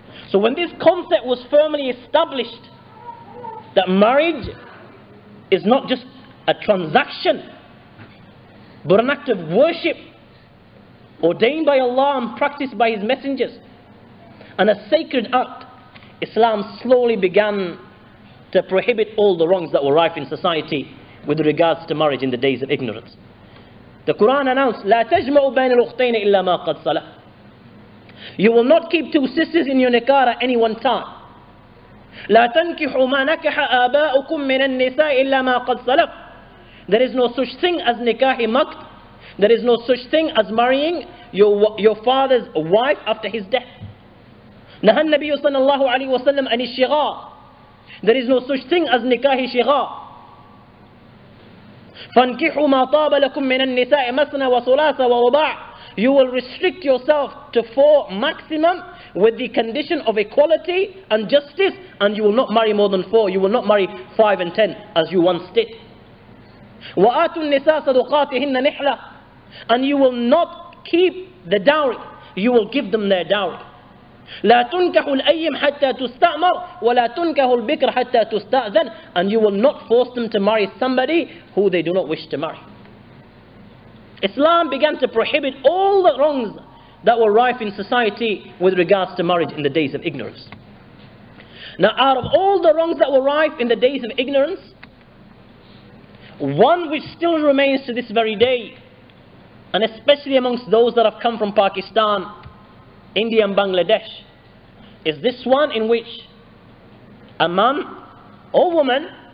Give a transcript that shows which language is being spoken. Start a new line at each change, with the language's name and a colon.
English: So when this concept was firmly established, that marriage is not just a transaction, but an act of worship ordained by Allah and practiced by His messengers, and a sacred act, Islam slowly began to prohibit all the wrongs that were rife in society with regards to marriage in the days of ignorance. The Quran announced,
Arabic: لا تجمع بين الأختين إلا ما قد صلح.
English: You will not keep two sisters in your nikah any one time.
Arabic: لا تنكح ما نكح آباؤكم من النساء إلا ما قد صلح.
English: There is no such thing as nikahi makt. There is no such thing as marrying your father's wife after his death.
Arabic: نهى النبي صلى الله عليه وسلم عن الشغار.
English: There is no such thing as nikahi shighar.
Arabic: فانكحوا ما طاب لكم من النساء مثنى وثلاثة ورباع.
English: You will restrict yourself to four maximum with the condition of equality and justice, and you will not marry more than four. You will not marry five and ten as you once did.
Arabic: وآتوا النساء صدقاتهن نحلة.
English: And you will not keep the dowry. You will give them their dowry.
Arabic: لا تنكح الأيم حتى تستأمر ولا تنكح البكر حتى تستأذن.
English: And you will not force them to marry somebody who they do not wish to marry. Islam began to prohibit all the wrongs that were rife in society with regards to marriage in the days of ignorance. Now, out of all the wrongs that were rife in the days of ignorance, one which still remains to this very day, and especially amongst those that have come from Pakistan, India and Bangladesh, is this one in which a man or woman